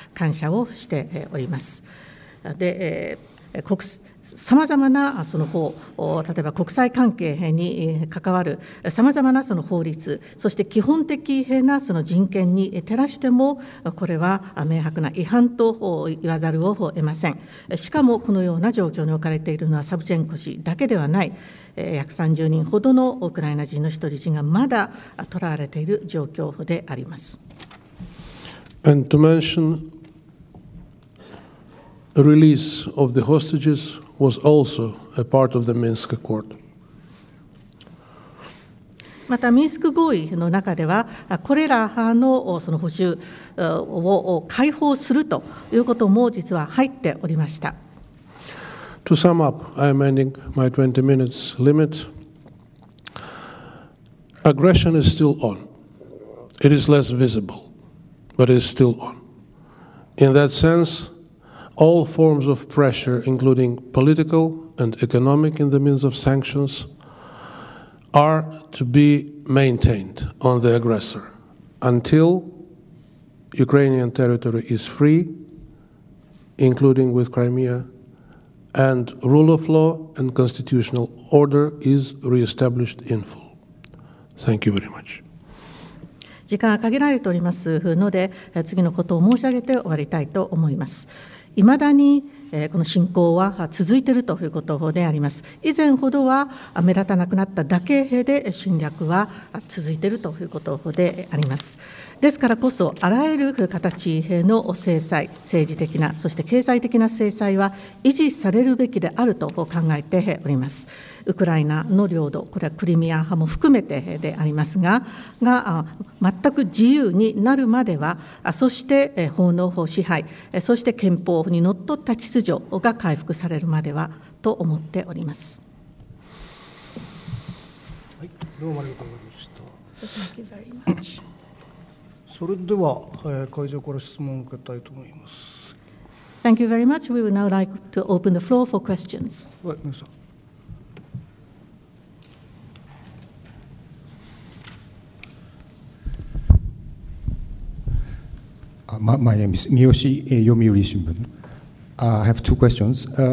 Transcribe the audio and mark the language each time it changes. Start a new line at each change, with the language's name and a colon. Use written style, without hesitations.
Japanese: 感謝をしております。で国さまざまなその法、例えば国際関係に関わるさまざまなその法律、そして基本的なその人権に照らしても、これは明白な違反と言わざるを得ません。しかもこのような状況に置かれているのはサブチェンコ氏だけではない、約30人ほどのウクライナ人の人質がまだ捕らわれている状況であります。
English: And to mention the release of the hostages. Was also a part of the Minsk Accord.
Japanese: また、ミンスク合意の中では、これらのその補充を解放するということも実は入っておりました。
English: To sum up, I am ending my 20 minutes limit. Aggression is still on. It is less visible, but it is still on. In that sense,All forms of pressure, including political and economic in the means of sanctions, are to be maintained on the aggressor until Ukrainian territory is free, including with Crimea, and rule of law and constitutional order is reestablished in full. Thank you very much.
Japanese: 時間は限られておりますので、次のことを申し上げて終わりたいと思います。いまだにこの侵攻は続いているということであります。以前ほどは目立たなくなっただけで侵略は続いているということであります。ですからこそあらゆる形の制裁、政治的なそして経済的な制裁は維持されるべきであると考えております。ウクライナの領土、これはクリミア派も含めてでありますが、全く自由になるまでは、そして法の支配、そして憲法にのっとった秩序が回復されるまではと思っております。はい、どうもありがとうございました。それでは会場から質問を受けたいと思います。
English: Thank you very much. We would now like to open the floor for questions.
Japanese: はい、皆さん。
English: My name is Miyoshi, Yomiuri Shimbun. I have two questions.